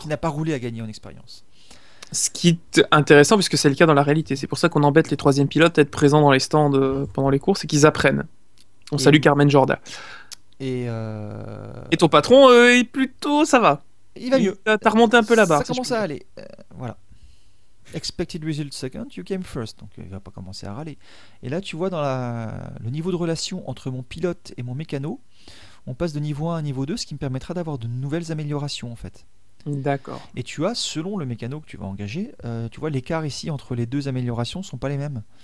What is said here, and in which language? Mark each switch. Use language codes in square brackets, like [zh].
[fr] Il n'a pas roulé à gagner en expérience. Ce qui est intéressant, puisque c'est le cas dans la réalité. C'est pour ça qu'on embête les troisièmes pilotes à être présents dans les stands pendant les courses et qu'ils apprennent. On salue Carmen Jorda. Et ton patron, est plutôt, ça va. Il va mieux. T'as remonté un peu la barre. Ça commence à aller. Voilà. [en] Expected result second, you came first. [fr] Donc il va pas commencer à râler. Et là, tu vois, dans le niveau de relation entre mon pilote et mon mécano, on passe de niveau 1 à niveau 2, ce qui me permettra d'avoir de nouvelles améliorations, en fait. D'accord. Et tu as, selon le mécano que tu vas engager, tu vois, l'écart ici entre les deux améliorations ne sont pas les mêmes.